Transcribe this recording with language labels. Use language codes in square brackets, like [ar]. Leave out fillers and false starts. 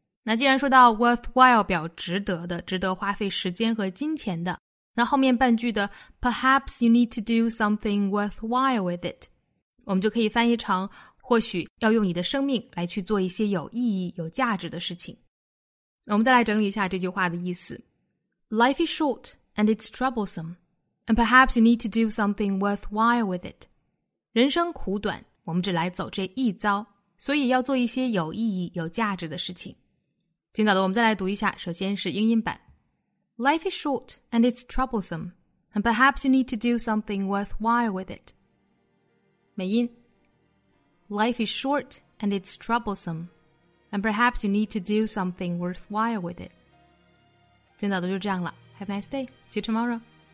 [zh] 那既然说到 worthwhile 表值得的，值得花费时间和金钱的，那后面半句的 [en] perhaps you need to do something worthwhile with it， [zh] 我们就可以翻译成或许要用你的生命来去做一些有意义有价值的事情。我们再来整理一下这句话的意思。 [en] Life is short and it's troublesome, and perhaps you need to do something worthwhile with it. [zh] 人生苦短，我们只来走这一遭，所以要做一些有意义有价值的事情。今早的我们再来读一下，首先是英音版。 [en] Life is short and it's troublesome, and perhaps you need to do something worthwhile with it. [zh] 美音。 [en] Life is short and it's troublesome, and perhaps you need to do something worthwhile with it. [zh] 今早的就这样了。 [en] Have a nice day. See you tomorrow.